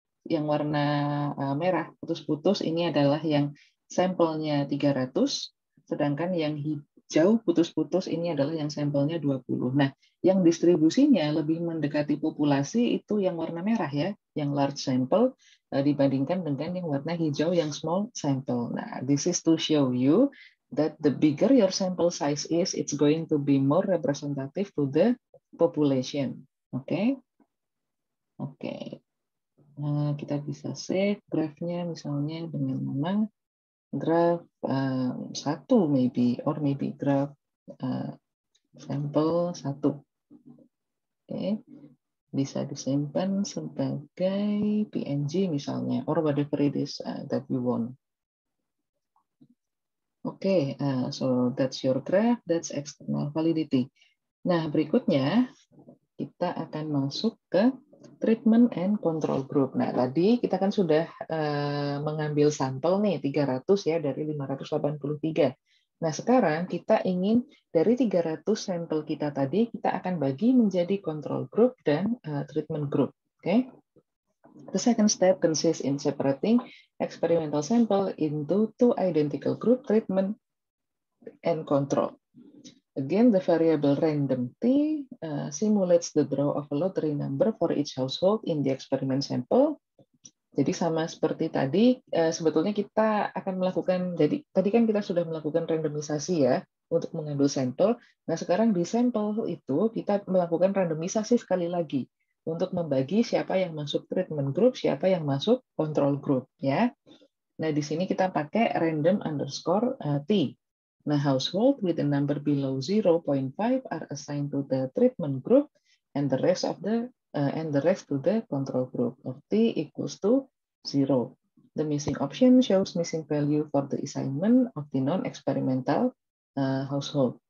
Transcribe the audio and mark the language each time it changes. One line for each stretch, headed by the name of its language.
Indonesian: Yang warna merah putus-putus ini adalah yang sampelnya 300, sedangkan yang hijau putus-putus ini adalah yang sampelnya 20. Nah, yang distribusinya lebih mendekati populasi itu yang warna merah ya, yang large sample dibandingkan dengan yang warna hijau yang small sample.
English: Nah, this is to show you that the bigger your sample size is, it's going to be more representative to the population.
Indonesian: Oke. Okay? Oke. Okay. Nah, kita bisa save graph-nya misalnya dengan nama graph 1 maybe,
English: or maybe graph sample 1.
Indonesian: Okay. Bisa disimpan sebagai PNG misalnya,
English: or whatever it is that you want. Oke, okay. So that's your graph, that's external validity.
Indonesian: Nah, berikutnya kita akan masuk ke treatment and control group. Nah, tadi kita kan sudah mengambil sampel nih 300 ya dari 583. Nah, sekarang kita ingin dari 300 sampel kita tadi kita akan bagi menjadi control group dan treatment group. Oke. Okay?
English: The second step consists in separating experimental sample into two identical group, treatment and control. Again, the variable random t simulates the draw of a lottery number for each household in the experiment sample.
Indonesian: Jadi sama seperti tadi, sebetulnya kita akan melakukan, jadi tadi kan kita sudah melakukan randomisasi ya untuk mengambil sampel. Nah, sekarang di sampel itu kita melakukan randomisasi sekali lagi untuk membagi siapa yang masuk treatment group, siapa yang masuk control group, ya. Nah, di sini kita pakai random underscore t.
English: Nah, household with a number below 0.5 are assigned to the treatment group and the rest of the to the control group of t equals to 0. The missing option shows missing value for the assignment of the non-experimental household.